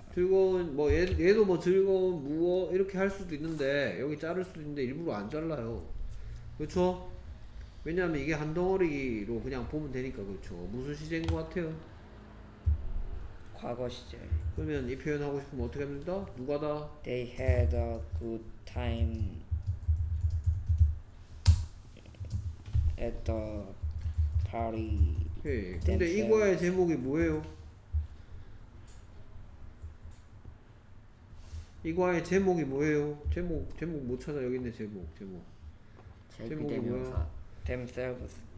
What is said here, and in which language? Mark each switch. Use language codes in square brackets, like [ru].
[ko] 즐거운 뭐 얘도 뭐 즐거운 무어 이렇게 할 수도 있는데 여기 자를 수도 있는데 일부러 안 잘라요. 그렇죠? 왜냐하면 이게 한 덩어리로 그냥 보면 되니까. 그렇죠? 무슨 시제인 것 같아요? 과거 시제. 그러면 이 표현 하고 싶으면 어떻게 합니다? 누가다? [en] They had a good time at the party. [ko] 오케이. 근데 이거의 제목이 뭐예요? 이거의 제목이 뭐예요? 제목 못 찾아. 여기 있네. 제목. 제목이 뭐야? [en] Themselves.